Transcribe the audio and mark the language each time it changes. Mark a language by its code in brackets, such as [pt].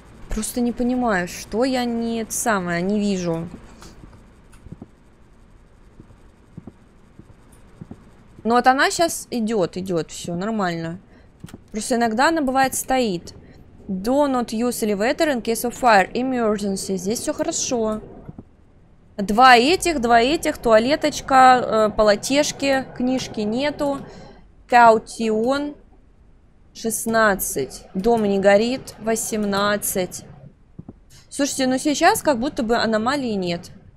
[ru] Просто не понимаю, что я не это самое, не вижу. Ну вот она сейчас идет, все нормально. Просто иногда она бывает стоит. [en] Do not use elevator in case of fire. Emergency. [ru] Здесь все хорошо. Два этих, туалеточка, полотешки, книжки нету. Каутион, 16. Дом не горит, 18. Слушайте, ну сейчас как будто бы аномалии нет.